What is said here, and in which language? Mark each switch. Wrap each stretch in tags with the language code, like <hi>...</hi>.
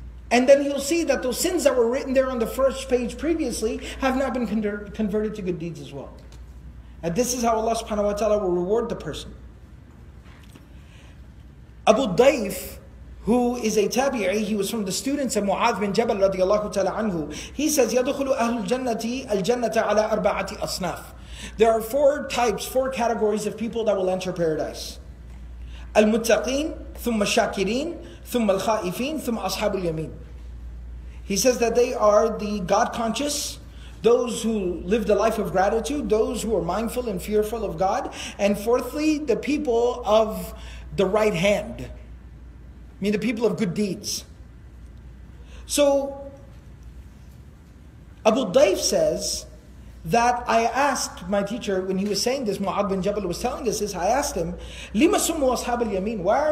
<en>And then he'll see that those sins that were written there on the first page previously have now been converted to good deeds as well. And this is how Allah subhanahu wa ta'ala will reward the person. Abu Dayf, who is a tabi'i, he was from the students of Mu'adh bin Jabal radiallahu ta'ala anhu. He says,</en> <ar>يَدُخُلُ أَهْلُ الْجَنَّةِ الْجَنَّةَ عَلَىٰ أَرْبَعَةِ أَصْنَافِ.</ar> <en>There are four categories of people that will enter paradise.</en> <ar>المتقين ثم الشاكرين ثم الخائفين ثم أصحاب اليمين.</ar> <en>He says that they are the God conscious, those who live the life of gratitude, those who are mindful and fearful of God, and fourthly, the people of the right hand. I mean the people of good deeds. So Abu Dayf says that I asked my teacher when he was saying this, Mu'adh bin Jabal was telling us this, I asked him,</en> <ar>لِمَ سُمُّ أَصْحَابَ الْيَمِينَ.</ar>